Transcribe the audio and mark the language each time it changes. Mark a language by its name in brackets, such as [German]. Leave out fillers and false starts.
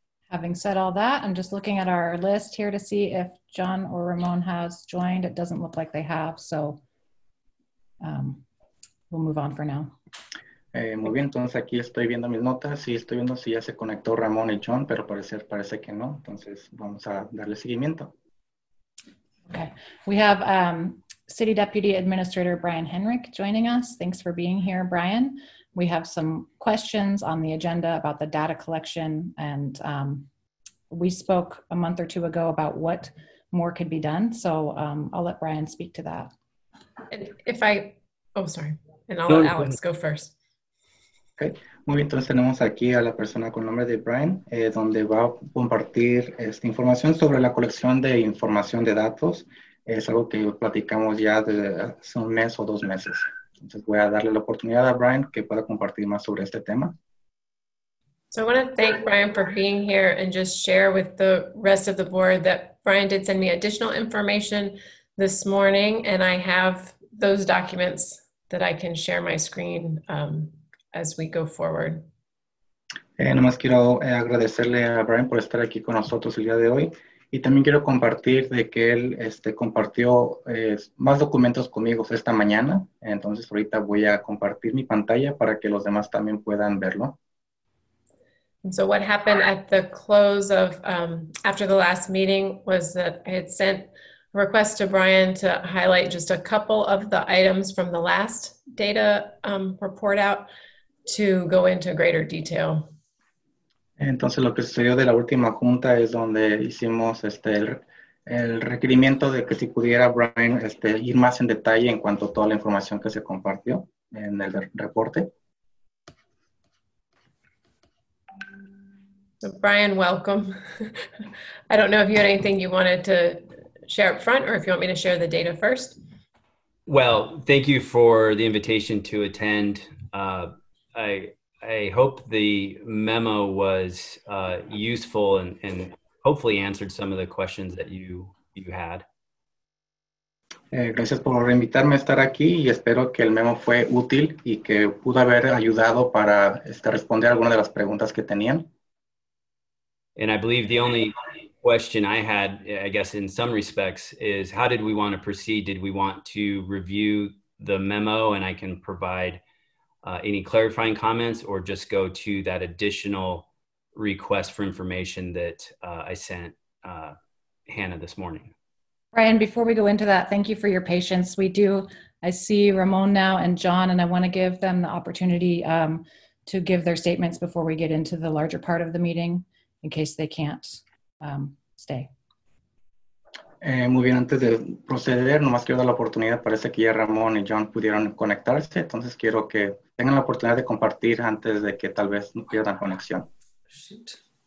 [English] Having said all that, I'm just looking at our list here to see if John or Ramon has joined. It doesn't look like they have, so we'll move on for now. [Spanish] Muy bien, entonces aquí estoy viendo mis notas y estoy viendo si ya se conectó Ramón y John, pero parece que no. Entonces vamos a darle seguimiento. [English] Okay, we have City Deputy Administrator Brian Henrich joining us. Thanks for being here, Brian. We have some questions on the agenda about the data collection, and we spoke a month or two ago about what more could be done. So I'll let Brian speak to that. Alex go first. Okay. [Spanish] Muy bien, entonces tenemos aquí a la persona con nombre de Brian, donde va a compartir esta información sobre la colección de información de datos. Es algo que platicamos ya desde hace un mes o dos meses. Entonces voy a darle la oportunidad a Brian que pueda compartir más sobre este tema. [English] So I want to thank Brian for being here and just share with the rest of the board that Brian did send me additional information this morning, and I have those documents that I can share my screen as we go forward. [Spanish] Nada más quiero agradecerle a Brian por estar aquí con nosotros el día de hoy, y también quiero compartir de que él compartió más documentos conmigo esta mañana. Entonces ahorita voy a compartir mi pantalla para que los demás también puedan verlo. [English] And so what happened at the close of after the last meeting was that I had sent a request to Brian to highlight just a couple of the items from the last data report out to go into greater detail. [Spanish] Entonces lo que sucedió de la última junta es donde hicimos el requerimiento de que si pudiera Brian ir más en detalle en cuanto a toda la información que se compartió en el reporte. [English] So Brian, welcome. I don't know if you had anything you wanted to share up front or if you want me to share the data first. Well, thank you for the invitation to attend. I hope the memo was useful and hopefully answered some of the questions that you had. [Spanish] Gracias por invitarme a estar aquí y espero que el memo fue útil y que pudo haber ayudado para responder algunas de las preguntas que tenían. [English] And I believe the only question I had, I guess in some respects, is how did we want to proceed? Did we want to review the memo and I can provide any clarifying comments, or just go to that additional request for information that I sent Hannah this morning. Brian, before we go into that, thank you for your patience. I see Ramon now and John, and I want to give them the opportunity to give their statements before we get into the larger part of the meeting in case they can't stay. [Spanish] Muy bien, antes de proceder, nomás quiero dar la oportunidad, parece que ya Ramón y John pudieron conectarse, entonces quiero que tengan la oportunidad de compartir antes de que tal vez no pierdan conexión. [English] Shoot.